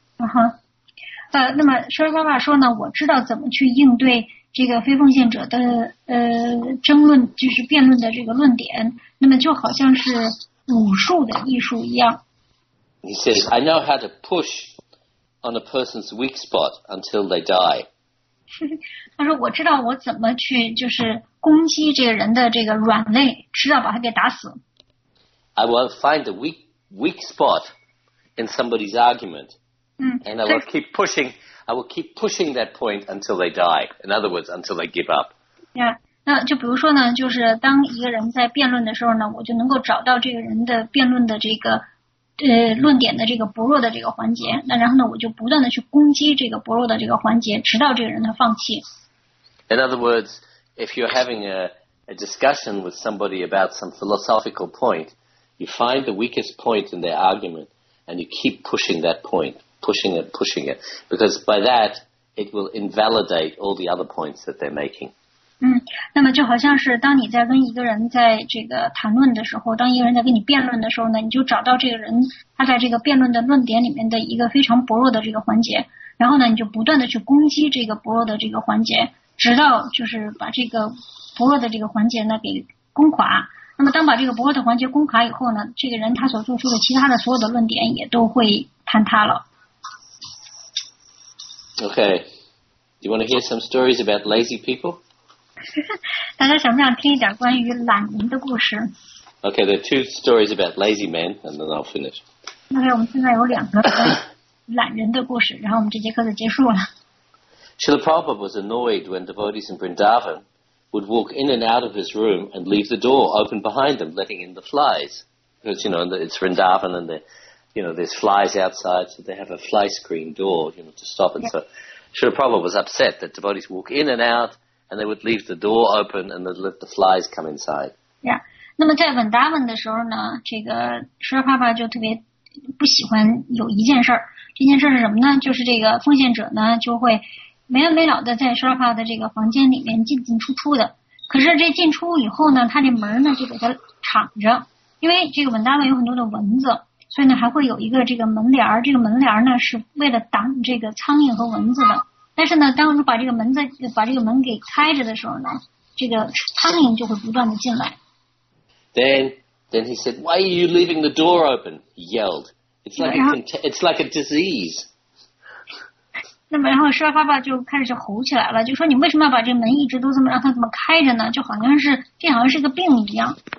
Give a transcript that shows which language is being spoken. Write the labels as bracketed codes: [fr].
[zh] Uh-huh. 那么Srila Prabhupada说呢，我知道怎么去应对这个非奉献者的争论，就是辩论的这个论点，那么就好像是武术的艺术一样。 [en] He says, I know how to push on a person's weak spot until they die. [zh] 他说我知道我怎么去就是攻击这个人的这个软肋，迟早把他给打死。 [en] I will find a weak spot in somebody's argument. And I will keep pushing. I will keep pushing that point until they die. In other words, until they give up. Yeah. [zh] 那就比如说呢，就是当一个人在辩论的时候呢，我就能够找到这个人的辩论的这个论点的这个薄弱的这个环节。那然后呢，我就不断的去攻击这个薄弱的这个环节，直到这个人他放弃。 [en] In other words, if you're having a discussion with somebody about some philosophical point. You find the weakest point in their argument, and you keep pushing that point, pushing it, because by that it will invalidate all the other points that they're making. [zh] 那么就好像是当你在跟一个人在这个谈论的时候，当一个人在跟你辩论的时候呢，你就找到这个人他在这个辩论的论点里面的一个非常薄弱的这个环节，然后呢，你就不断的去攻击这个薄弱的这个环节，直到就是把这个薄弱的这个环节呢给攻垮。那么当把这个薄弱的环节攻垮以后呢，这个人他所做出的其他的所有的论点也都会坍塌了。 [en] Okay, do you want to hear some stories about lazy people? [zh] 大家想不想听一点关于懒人的故事？ [en] Okay, there are two stories about lazy men, and then I'll finish. [zh] Okay, 我们现在有两个懒人的故事，然后我们这节课就结束了。 [en] Srila Prabhupada was annoyed when devotees in Vrindavan. Would walk in and out of his room and leave the door open behind them, letting in the flies. Because, you know, it's Vrindavan and there's flies outside, so they have a fly screen door, you know, to stop it. Yeah. So Srila Prabhupada was upset that devotees walk in and out and they would leave the door open and they'd let the flies come inside. [zh] Yeah. 那么在 Vrindavan 的时候呢，这个 Srila Prabhupada 就特别不喜欢有一件事儿。这件事儿是什么呢？就是这个奉献者呢就会没完没了的在 Srila Prabhupada 的这个房间里面进进出出的，可是这进出以后呢，他这门呢就给他敞着，因为这个文达文有很多的蚊子，所以呢还会有一个这个门帘儿，这个门帘儿呢是为了挡这个苍蝇和蚊子的。但是呢，当你把这个门在把这个门给开着的时候呢，这个苍蝇就会不断的进来。 [en] Then he said, "Why are you leaving the door open?" He yelled. It's like a disease. [zh] 那么然后舍爸爸就开始吼起来了，就说你为什么要把这门一直都这么让它怎么开着呢，就好像是这好像是个病一样。